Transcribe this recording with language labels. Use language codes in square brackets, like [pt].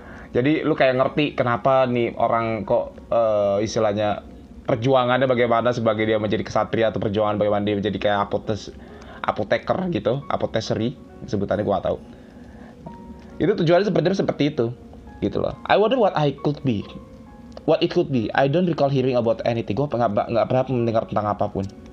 [id] Jadi lu kayak ngerti kenapa nih orang kok istilahnya perjuangannya bagaimana sebagai dia menjadi kesatria, atau perjuangan bagaimana dia menjadi kayak apoteker gitu, apotekeri sebutannya gua nggak tahu. Itu tujuannya sebenarnya seperti itu gitu loh. [en] I wonder what I could be. What it could be, I don't recall hearing about anything. [id] Gua nggak pernah mendengar tentang apapun.